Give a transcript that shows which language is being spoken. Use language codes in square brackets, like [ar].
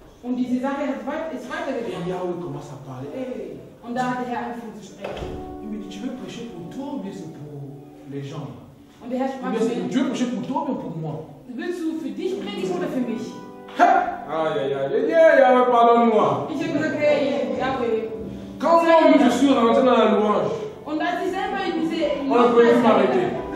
[de] Und diese Sache ist weitergegangen. [fr] Et Yahweh commence à parler. [de] Und da hat der Herr angefangen zu sprechen. [fr] Il me dit, tu veux prêcher pour toi ou bien c'est pour les gens? [de] Und der Herr sprach zu mir. [fr] Tu veux prêcher pour toi ou bien pour moi? [de] Willst du für dich predigen oder für mich? [fr] Yahweh, pardonne-moi. [de] Ich habe gesagt, hey, Yahweh. [fr] Quand moi-même je suis rentré dans la louange, on a dit ça, mais il disait, on ne pouvait plus m'arrêter.